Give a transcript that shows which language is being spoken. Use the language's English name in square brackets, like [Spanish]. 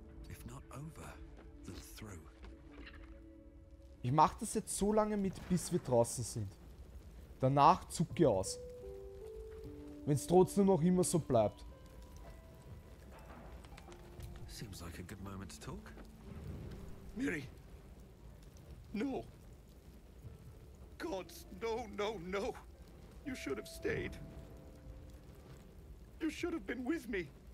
[English] If not over, then through. [German] Ich mach das jetzt so lange mit, bis wir draußen sind. Danach zuck ich aus. Wenn es trotzdem noch immer so bleibt. [English] Seems like a good moment to talk. Miri! No! Gods, no, no, no! You should have stayed. You should have been with me.